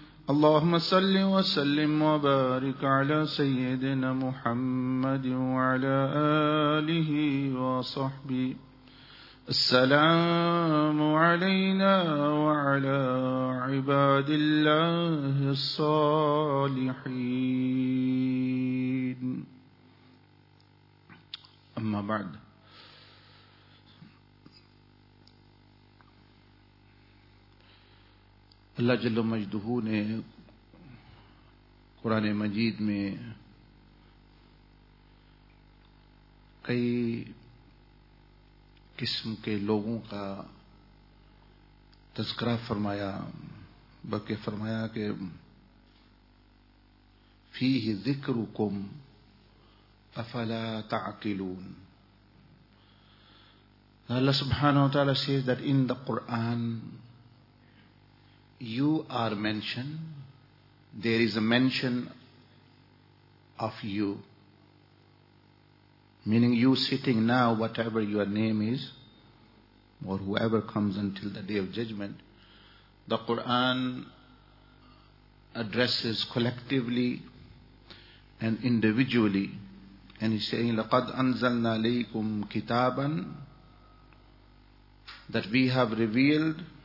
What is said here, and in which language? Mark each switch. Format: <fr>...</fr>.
<ar>اللهم صل وسلم وبارك على سيدنا محمد وعلى آله وصحبه. السلام علينا وعلى عباد الله الصالحين. أما بعد،</ar> <ur>اللہ جل مجدہ نے قرآن مجید میں کئی قسم کے لوگوں کا تذکرہ فرمایا، بلکہ فرمایا کہ</ur> <ar>فیہ ذکرکم افلا تعقلون.</ar> <en>اللہ سبحانہ وتعالی says that in the Quran you are mentioned, there is a mention of you, meaning you sitting now, whatever your name is, or whoever comes until the Day of Judgment, the Quran addresses collectively and individually, and he's saying,</en> <ar>لَقَدْ أَنزَلْنَا لَيْكُمْ كِتَابًا,</ar> <en>that we have revealed</en>